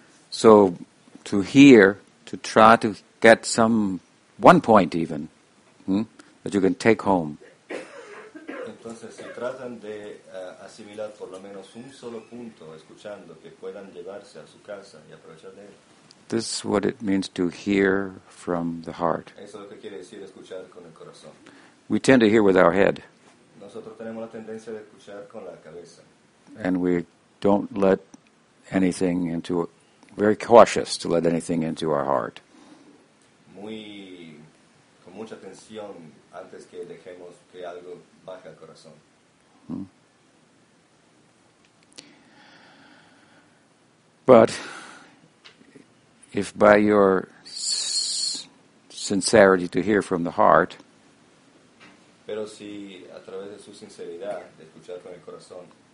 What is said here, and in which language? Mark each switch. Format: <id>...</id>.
<en>So, to hear, to try to get some, one point even, that you can take home.</en> <es>Entonces, si tratan de asimilar por lo menos un solo punto, escuchando, que puedan llevarse a su casa y aprovechar de él.</es> <en>This is what it means to hear from the heart.</en> <es>Eso es lo que quiere decir escuchar con el corazón.</es> <en>We tend to hear with our head.</en> <es>Nosotros tenemos la tendencia de escuchar con la cabeza.</es> <en>And we don't let anything into, very cautious to let anything into our heart.</en> <es>Muy, con mucha tensión antes que dejemos que algo baje al corazón.</es> <en>But if by your sincerity to hear from the heart,</en> <es>pero si a través de su sinceridad de escuchar con el corazón,</es>